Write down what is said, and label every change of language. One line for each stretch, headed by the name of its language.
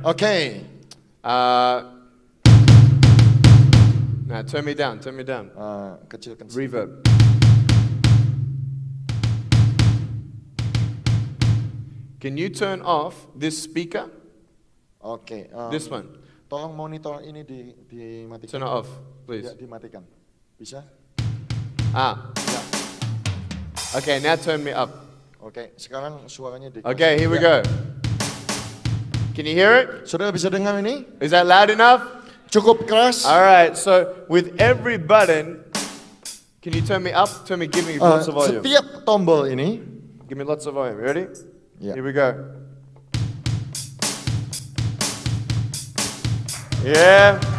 English: Okay. Now turn me down. Turn me down.
Indonesian: Kecilkan.
English: Reverb. Can you turn off this speaker? Okay. This one.
Indonesian: Tolong monitor ini dimatikan.
English: Turn it off, please.
Indonesian: Ya, dimatikan. Bisa?
English: Ah. Ya. Okay, now turn me up.
Indonesian: Okay, sekarang suaranya di.
English: Okay, here we go. Can you hear it?
Indonesian: Saudara bisa dengar ini?
English: Is that loud enough?
Indonesian: Cukup keras.
English: All right, so with every button, can you turn me up? Give me lots of volume.
Indonesian: Setiap tombol ini.
English: Give me lots of volume. Ready? Yeah. Here we go. Yeah.